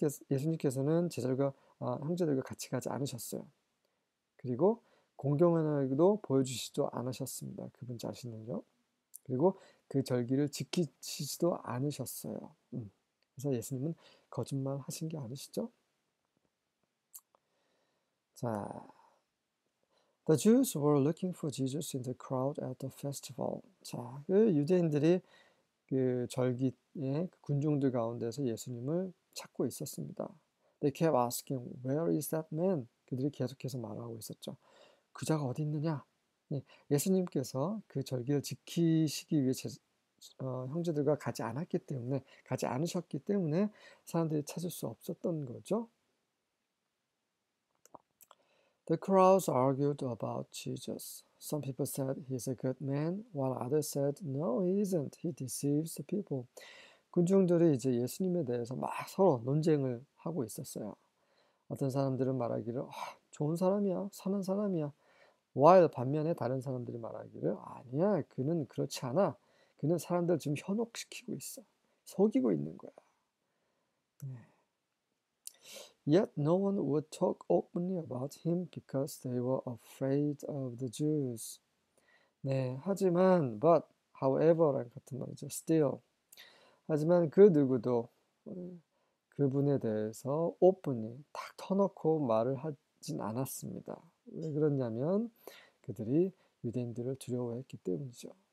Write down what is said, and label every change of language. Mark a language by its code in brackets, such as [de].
[ko] 예수님께서는 형제들과 같이 가지 않으셨어요. 그리고 공경하기도 보여주시지도 않으셨습니다. 그분 자신은요. 그리고 그 절기를 지키시지도 않으셨어요. 그래서 예수님은 거짓말하신 게 아니시죠? [en] 자, The Jews were looking for Jesus in the crowd at the festival. [ko] 자, 유대인들이 절기의 군중들 가운데서 예수님을 찾고 있었습니다. [en] They kept asking, "Where is that man?" [ko] 그들이 계속해서 말하고 있었죠. 그자가 어디 있느냐? 예수님께서 그 절기를 지키시기 위해 형제들과 가지 않았기 때문에 가지 않으셨기 때문에 사람들이 찾을 수 없었던 거죠. [en] The crowds argued about Jesus. Some people said he's a good man, while others said, no, he isn't. He deceives the people. [ko] 군중들이 이제 예수님에 대해서 막 서로 논쟁을 하고 있었어요. 어떤 사람들은 말하기를, 좋은 사람이야, 선한 사람이야. while 반면에 다른 사람들이 말하기를, 아니야, 그는 그렇지 않아. 그는 사람들 지금 현혹시키고 있어. 속이고 있는 거야. [en] Yet no one would talk openly about him because they were afraid of the Jews. [ko] 네, 하지만, but, however란 같은 말이죠. Still. 하지만 그 누구도 그분에 대해서 openly, 탁 터놓고 말을 하진 않았습니다. 왜 그러냐면 그들이 유대인들을 두려워했기 때문이죠.